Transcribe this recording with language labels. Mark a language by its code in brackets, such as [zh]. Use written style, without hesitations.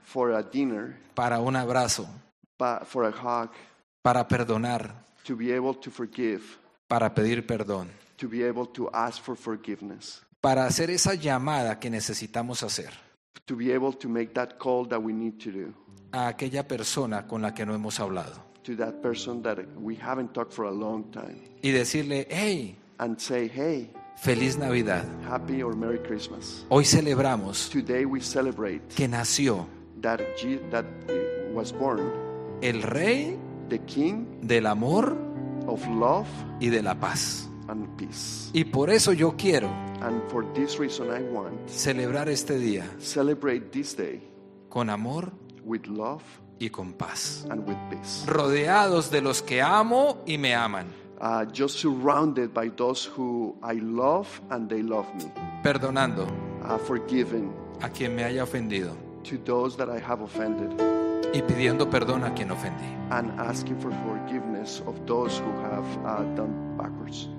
[en] For a dinner. [es] Para un abrazo. [en] For a hug. [es] Para perdonar. [en] To be able to forgive. [es] Para pedir perdón. [en] To be able to ask for forgiveness. [es] Para hacer esa llamada que necesitamos hacer. [en] To be able to make that call that we need to do. [es] A aquella persona con la que no hemos hablado. [en] To that person that we haven't talked for a long time. [es] Y decirle, hey. [en] And say, hey. [es] Feliz Navidad. [en] Happy or Merry Christmas. [es] Hoy celebramos. [en] Today we celebrate. [es] Que nació. [en] That was born. [es] El Rey. [en] The King. [es] Del amor. [en] Of love. [es] Y de la paz. [en] And peace. [es] Y por eso yo quiero. [en] And for this reason I want. [es] Celebrar este día. [en] Celebrate this day. [es] Con amor. [en] With love. [es] Y con paz. [en] And with peace. [es] Rodeados de los que amo y me aman. [en] Just surrounded by those who I love and they love me. [es] Perdonando. [en] Forgiving. [es] A quien me haya ofendido. [en] To those that I have offended. [es] Y pidiendo perdón a quien ofendí. [en] And asking for forgiveness of those who have done backwards.